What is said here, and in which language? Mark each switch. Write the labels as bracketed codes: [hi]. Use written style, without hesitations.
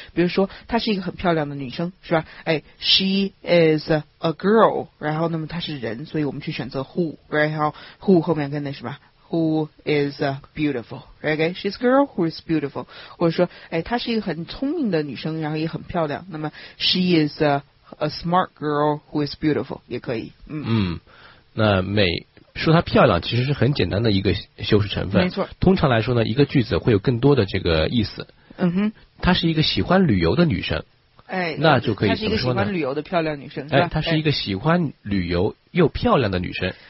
[zh] 比如说，她是一个很漂亮的女生，是吧？哎 ， [en] She is a girl。 [zh] 然后那么她是人，所以我们去选择 who， right？然后 who 后面跟的是吧 ？ [en] Who is beautiful？ [zh] Right？ [en] She's a girl who is beautiful。 [zh] 或者说，哎，她是一个很聪明的女生，然后也很漂亮。那么 [en] She is a smart girl who is beautiful [zh] 也可以。那美说她漂亮其实是很简单的一个修饰成分，没错。通常来说呢，一个句子会有更多的这个意思。嗯哼，她是一个喜欢旅游的女生，哎，那就可以怎么说呢，她是一个喜欢旅游的漂亮女生，哎，她是一个喜欢旅游又漂亮的女生。